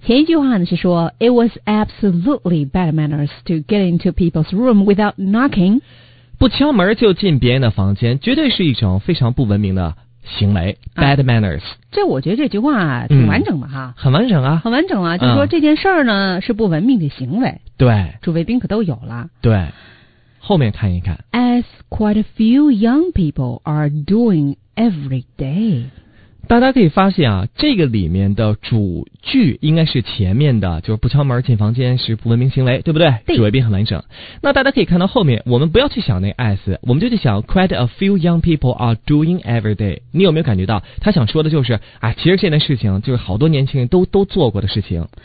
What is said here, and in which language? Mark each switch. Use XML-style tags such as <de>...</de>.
<zh>前一句话呢是说</zh> <en>it was absolutely bad manners to get into people's room without knocking，</en> <zh>不敲门就进别人的房间，绝对是一种非常不文明的行为 ，bad manners，啊。这我觉得这句话挺完整的哈，嗯，很完整啊，很完整啊。就是说这件事儿呢，嗯，是不文明的行为。对，主谓宾可都有了。对，后面看一看。</zh> <en>As quite a few young people are doing every day，</en> <zh>大家可以发现啊，这个里面的主句应该是前面的，就是不敲门进房间是不文明行为，对不对？对，主谓宾很完整。那大家可以看到后面，我们不要去想那个 as， 我们就去想</zh> <en>quite a few young people are doing every day。</en> <zh>你有没有感觉到他想说的就是啊，其实这件事情就是好多年轻人都做过的事情，</zh>